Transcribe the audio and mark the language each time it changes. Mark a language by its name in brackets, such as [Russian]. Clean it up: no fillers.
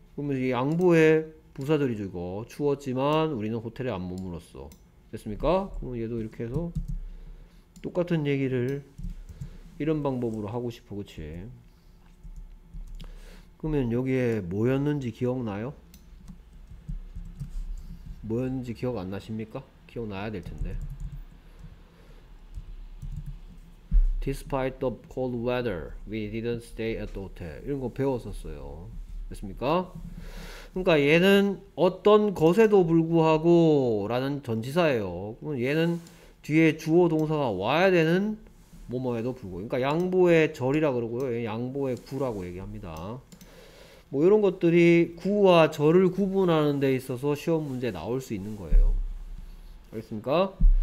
[Korean] 그러면 이 양보의 부사들이죠 이거 추웠지만 우리는 호텔에 안 머물었어 됐습니까? 그럼 얘도 이렇게 해서 똑같은 얘기를 이런 방법으로 하고 싶어 그치? 그러면 여기에 뭐였는지 기억나요? 뭐였는지 기억 안 나십니까? 기억나야 될 텐데 [English] Despite the cold weather, we didn't stay at the hotel. [Korean] 이런 거 배웠었어요. 됐습니까? 그러니까 얘는 어떤 것에도 불구하고 라는 전치사예요. 그럼 얘는 뒤에 주어 동사가 와야 되는 뭐뭐에도 불구하고 그러니까 양보의 절이라 그러고요. 양보의 구라고 얘기합니다. 뭐 이런 것들이 구와 절을 구분하는 데 있어서 시험 문제에 나올 수 있는 거예요. 알겠습니까?